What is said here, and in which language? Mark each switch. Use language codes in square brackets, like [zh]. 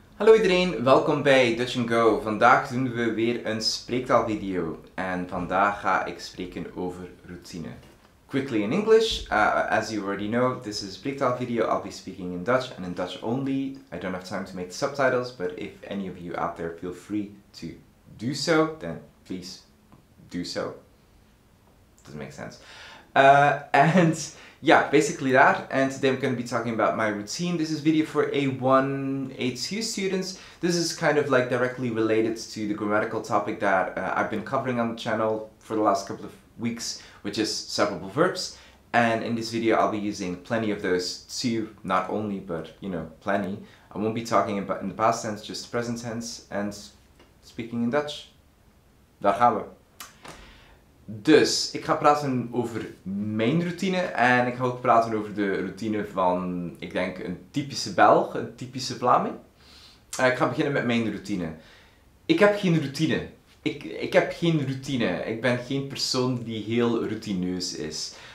[nl] Hallo iedereen, welkom bij Dutch & Go. Vandaag doen we weer een spreektaalvideo. En vandaag ga ik spreken over routine. [en] Quickly in English, as you already know, this is a spreektaalvideo. I'll be speaking in Dutch and in Dutch only. I don't have time to make the subtitles, but if any of you out there feel free to do so, then please do so. Doesn't make sense. And yeah, basically that. And today I'm going to be talking about my routine. This is video for A1, A2 students. This is kind of like directly related to the grammatical topic that I've been covering on the channel for the last couple of weeks, which is separable verbs. And in this video, I'll be using plenty of those two, not only, but you know, plenty. I won't be talking about in the past tense, just the present tense and speaking in Dutch. [nl] Daar gaan we. Dus, ik ga praten over mijn routine en ik ga ook praten over de routine van, ik denk, een typische Belg, een typische Vlaming. Ik ga beginnen met mijn routine. Ik heb geen routine. Ik heb geen routine. Ik ben geen persoon die heel routineus is.